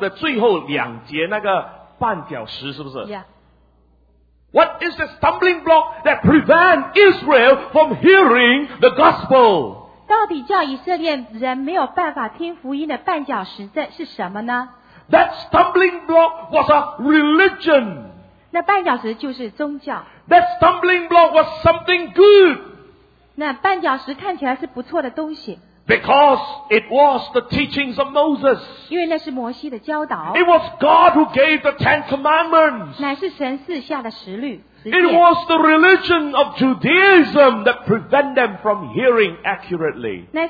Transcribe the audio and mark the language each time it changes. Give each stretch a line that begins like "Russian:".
Chinese: 10章1节到5节是来解开9章的最后2节那个绊脚石，是不是？
English: Yeah. What is the stumbling block that prevents Israel from hearing the gospel?
Chinese: 到底叫以色列人没有办法听福音的绊脚石是什么呢？
English: That stumbling block was a religion.
Chinese: 那绊脚石就是宗教。
English: That stumbling block was something good.
Chinese: 那绊脚石看起来是不错的东西。
English: Because it was the teachings of Moses.
Chinese: 因为那是摩西的教导。
English: It was God who gave the Ten Commandments.
Chinese: 乃是神赐下的十律。
English: It was the religion of Judaism that prevented them from hearing accurately.